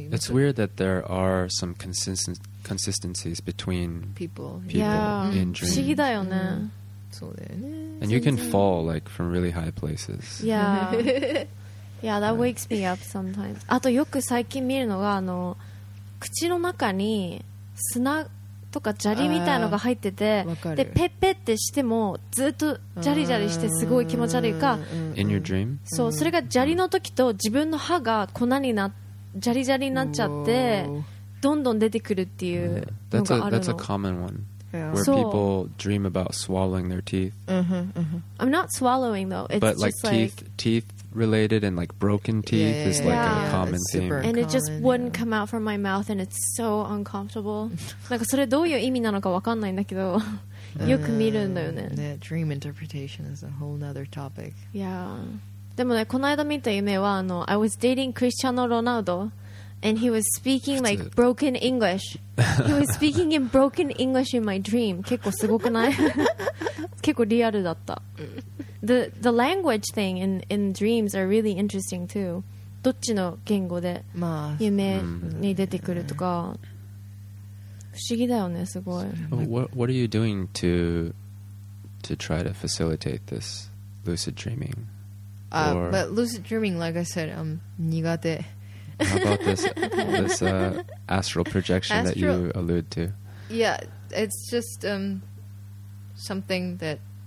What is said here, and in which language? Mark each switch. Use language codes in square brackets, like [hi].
[en] It's weird that there are some consistencies between people in dreams. And you can fall like from really high places. Yeah. Yeah, that wakes me up sometimes. [ja] あとよく最近見るのが、あの、口の中に砂とか砂利みたいのが入ってて、で、ペッペッってしてもずっとジャリジャリしてすごい気持ち悪いか。 [en] In your dream? [ja] そう、それが砂利の時と自分の歯が粉にな、ジャリジャリになっちゃって、どんどん出てくるっていうのがあるの。 [en] That's a common one. Yeah. Where people dream about swallowing their teeth. I'm not swallowing though. It's but just like teeth related and like broken teeth is like a common theme. And it just wouldn't come out from my mouth and it's so uncomfortable. [ja] なんかそれどういう意味なのかわかんないんだけど、よく見るんだよね。 [en] Yeah, dream interpretation is a whole other topic. [ja] Yeah. でもね、この間見た夢はあの、 [en] I was dating Cristiano Ronaldo. And he was speaking like broken English. He was speaking in broken English in my dream. [ja] 結構すごくない？結構リアルだった。 [en] The language thing in dreams are really interesting too. [ja] どっちの言語で夢に出てくるとか不思議だよね、すごい。 [en] What are you doing to try to facilitate this lucid dreaming? But lucid dreaming, like I said, I'm 苦手。 How about this astral projection that you allude to? Yeah, it's just something that...